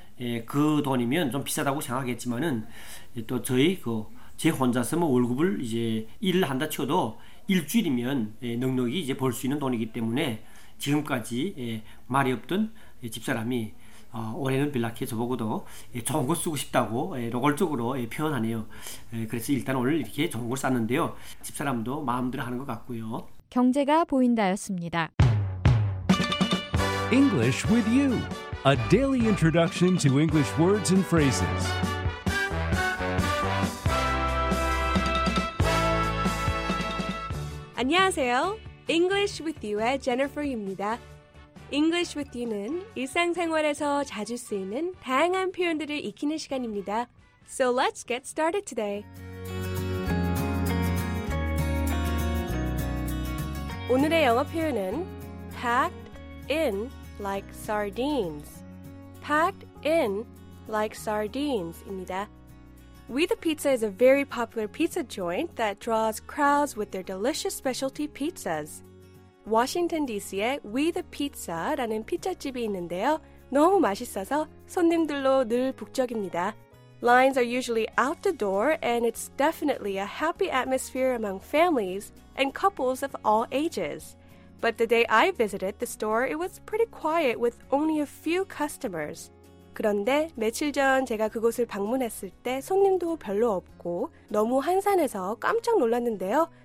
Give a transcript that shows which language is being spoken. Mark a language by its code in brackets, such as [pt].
[ko] 예, 그 돈이면 좀 비싸다고 생각했지만은 예, 또 저희 그 제 혼자서 뭐 월급을 이제 일을 한다 쳐도 일주일이면 예, 넉넉히 이제 벌 수 있는 돈이기 때문에 지금까지 예, 말이 없던 예, 집사람이 올해는 빌라키에 저보고도 예, 좋은 거 쓰고 싶다고 예, 노골적으로 예, 표현하네요. 예, 그래서 일단 오늘 이렇게 좋은 걸 쌌는데요. 집사람도 마음대로 하는 것 같고요. 경제가 보인다였습니다. [en] English with you. A daily introduction to English words and phrases. [ko] 안녕하세요. English with you의 제니퍼입니다. English with you는 일상생활에서 자주 쓰이는 다양한 표현들을 익히는 시간입니다. [en] So let's get started today. [ko] 오늘의 영어 표현은 [en] packed in like sardines. Packed in like sardines입니다. We the Pizza is a very popular pizza joint that draws crowds with their delicious specialty pizzas. [ko] Washington DC에 We the Pizza라는 피자집이 있는데요. 너무 맛있어서 손님들로 늘 북적입니다. [en] Lines are usually out the door and it's definitely a happy atmosphere among families and couples of all ages. But the day I visited the store, it was pretty quiet with only a few customers. [ko] 그런데 며칠 전 제가 그곳을 방문했을 때 손님도 별로 없고 너무 한산해서 깜짝 놀랐는데요.